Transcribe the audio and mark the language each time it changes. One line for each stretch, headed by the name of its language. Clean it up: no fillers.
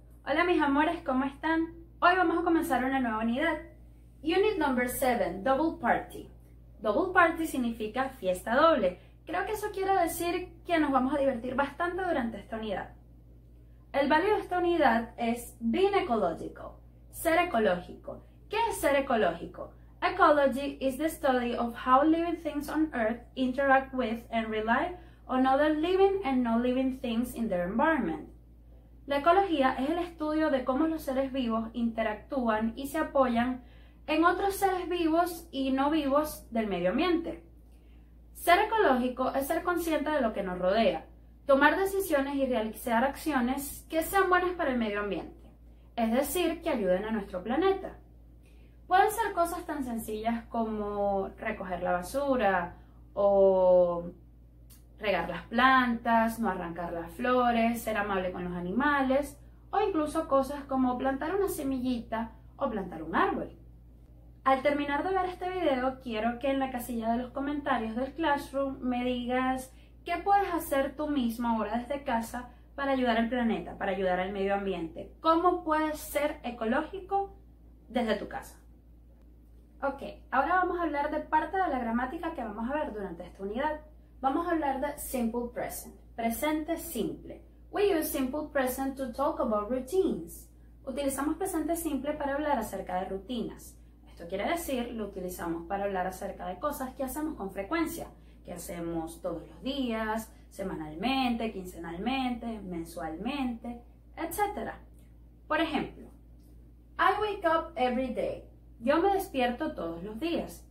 Spanish: Hola mis amores, ¿cómo están? Hoy vamos a comenzar una nueva unidad.
English: Unit number 7, double party.
Spanish: Double party significa fiesta doble. Creo que eso quiere decir que nos vamos a divertir bastante durante esta unidad. El valor de esta unidad es
English: being ecological,
Spanish: ser ecológico. ¿Qué es ser ecológico?
English: Ecology is the study of how living things on Earth interact with and rely on other living and non-living things in their environment.
Spanish: La ecología es el estudio de cómo los seres vivos interactúan y se apoyan en otros seres vivos y no vivos del medio ambiente. Ser ecológico es ser consciente de lo que nos rodea, tomar decisiones y realizar acciones que sean buenas para el medio ambiente, es decir, que ayuden a nuestro planeta. Pueden ser cosas tan sencillas como recoger la basura o regar las plantas, no arrancar las flores, ser amable con los animales, o incluso cosas como plantar una semillita o plantar un árbol. Al terminar de ver este video, quiero que en la casilla de los comentarios del Classroom me digas qué puedes hacer tú mismo ahora desde casa para ayudar al planeta, para ayudar al medio ambiente. ¿Cómo puedes ser ecológico desde tu casa? Ok, ahora vamos a hablar de parte de la gramática que vamos a ver durante esta unidad. Vamos a hablar de simple present, presente simple.
English: We use simple present to talk about routines.
Spanish: Utilizamos presente simple para hablar acerca de rutinas. Esto quiere decir, lo utilizamos para hablar acerca de cosas que hacemos con frecuencia, que hacemos todos los días, semanalmente, quincenalmente, mensualmente, etc. Por ejemplo,
English: I wake up every day.
Spanish: Yo me despierto todos los días.